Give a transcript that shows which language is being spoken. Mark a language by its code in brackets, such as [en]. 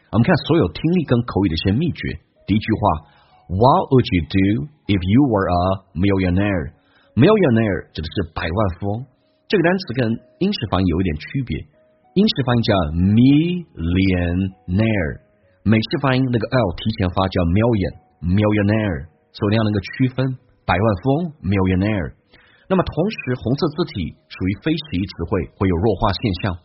[zh] 我们看所有听力跟口语的一些秘诀。第一句话 [en] What would you do if you were a millionaire? [zh] Millionaire 指的是百万富翁。这个单词跟英式发音有一点区别。英式发音叫 millionaire， 美式发音那个 L 提前发叫 million， millionaire， 所以你要能够区分。百万富翁 millionaire， 那么同时红色字体属于非习词汇，会有弱化现象。